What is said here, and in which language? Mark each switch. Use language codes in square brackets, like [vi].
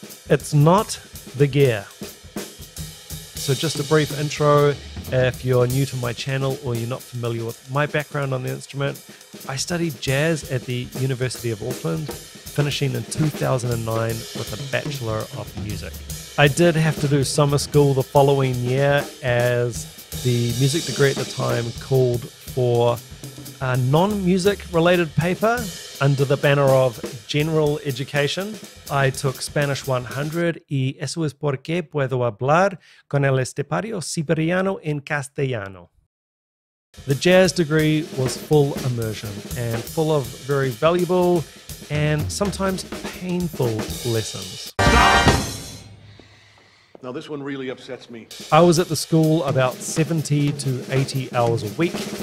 [en] It's not the gear. So just a brief intro, if you're new to my channel or you're not familiar with my background on the instrument, I studied jazz at the University of Auckland, finishing in 2009 with a Bachelor of Music. I did have to do summer school the following year, as the music degree at the time called for a non-music related paper under the banner of general education. I took Spanish 100, [es] y eso es porque puedo hablar con el estepario siberiano en castellano. [en] The jazz degree was full immersion and full of very valuable and sometimes painful lessons. Now this one really upsets me. I was at the school about 70 to 80 hours a week.